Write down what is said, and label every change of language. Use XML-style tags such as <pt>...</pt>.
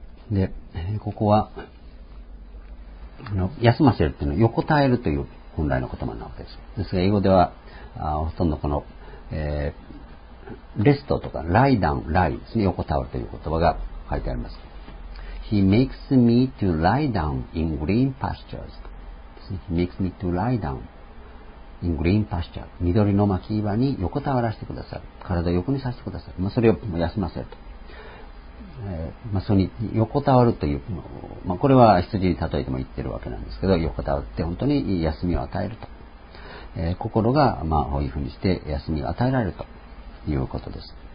<ja>で、ここは、休ませるというのは横たえるという本来の言葉なわけです。ですが英語ではほとんどこの、レストとかライダウン、ライですね、横たわるという言葉が書いてあります。</ja> <en>He makes me to lie down in green pastures. He makes me to lie down in green pastures.</en> <ja>緑の牧場に横たわらせてください。体を横にさせてください。まあ、それを休ませると。まあ、それに横たわるという、まあ、これは羊に例えても言ってるわけなんですけど、横たわって本当に休みを与えると、心がまあこういうふうにして休みを与えられるということです。</ja>